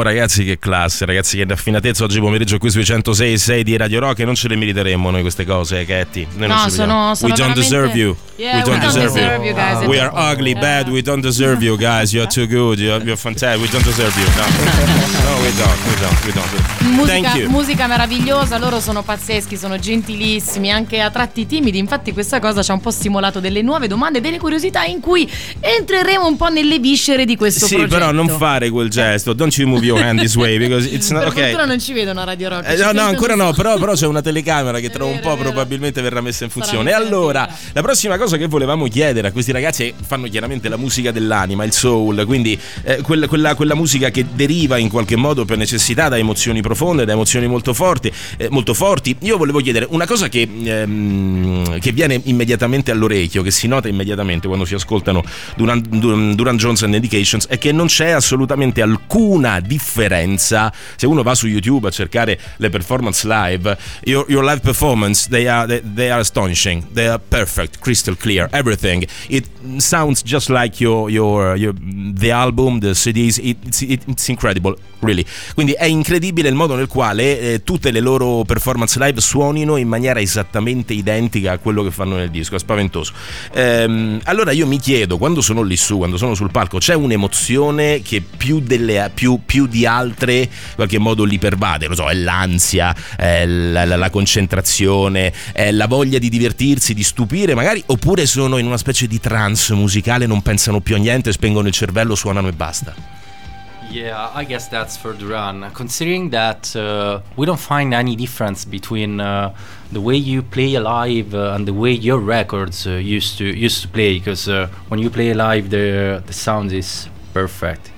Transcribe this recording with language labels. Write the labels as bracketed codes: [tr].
[it] Ragazzi, che classe, ragazzi, che raffinatezza oggi pomeriggio qui sui 106.6 di Radio Rock. E non ce le meriteremmo noi queste cose, Katty. No, sono [en] we don't deserve you. Yeah, we don't deserve you, guys. We are ugly, bad, we don't deserve you, guys. You're too good, you're fantastic, we don't deserve you. No, no, we don't. Musica, thank you. [it] Musica meravigliosa, loro sono pazzeschi, sono gentilissimi, anche a tratti timidi. Infatti questa cosa ci ha un po' stimolato delle nuove domande, delle curiosità in cui entreremo un po' nelle viscere di questo progetto. Sì, però non fare quel gesto. [en] Don't you move your hand this way, because it's not okay. [it] Per fortuna non ci vedono a Radio Rock. No, ancora no, però c'è una telecamera che tra un po' probabilmente verrà messa in funzione. Allora, la prossima cosa che volevamo chiedere a questi ragazzi, fanno chiaramente la musica dell'anima, il soul, quindi quella musica che deriva in qualche modo per necessità da emozioni profonde, da emozioni molto forti. Io volevo chiedere una cosa che viene immediatamente all'orecchio, che si nota immediatamente quando si ascoltano Duran Johnson and Indications, è che non c'è assolutamente alcuna differenza. Se uno va su YouTube a cercare le performance live, [en] your live performance, they are astonishing, they are perfect, crystal clear, everything, it sounds just like your the album, the CDs, it's incredible, really. [it] Quindi è incredibile il modo nel quale tutte le loro performance live suonino in maniera esattamente identica a quello che fanno nel disco. È spaventoso. Allora io mi chiedo, quando sono lì su, quando sono sul palco, c'è un'emozione che più di altre in qualche modo li pervade? Lo so, è l'ansia, è la concentrazione, è la voglia di divertirsi, di stupire magari, oppure sono in una specie di trance musicale, non pensano più a niente, spengono il cervello, suonano e basta? [en] Yeah, I guess that's for Duran. Considering that we don't find any difference between the way you play live and the way your records used to play, because when you play live, the sound is perfect.